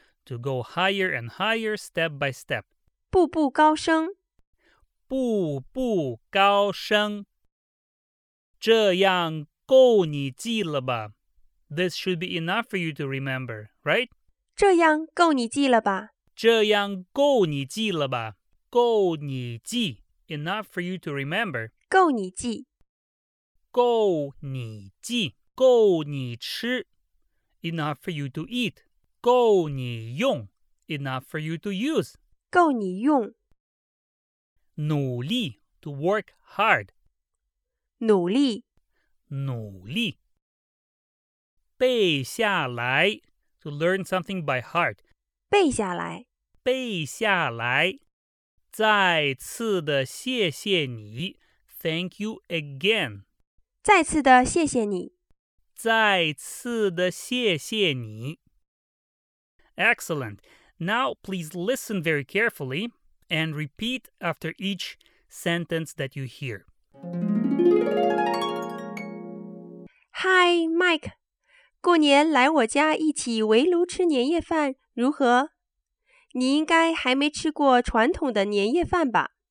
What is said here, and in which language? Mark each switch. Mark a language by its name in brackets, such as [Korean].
[English] To go higher and higher step by step. [Chinese] 步步高升。步步高升。这样够你记了吧? [English] This should be enough for you to remember, right? [Chinese] 这样够你记了吧? 这样够你记了吧?够你记 [English] enough for you to remember. [Chinese] 够你记。够你记，够你吃。 [English] Enough for you to eat. [Chinese] 够你用。 [English] Enough for you to use. [Chinese] 够你用。努力 [English] to work hard. [Chinese] 努力。努力。背下来 [English] to learn something by heart. [Chinese] 背下来。背下来。再次的谢谢你。 [English] Thank you again. [Chinese] 再次的谢谢你。再次的谢谢你。Excellent. [English] Now please listen very carefully and repeat after each sentence that you hear. Hi, Mike. [Chinese] 过年来我家一起围炉吃年夜饭如何？你应该还没吃过传统的年夜饭吧？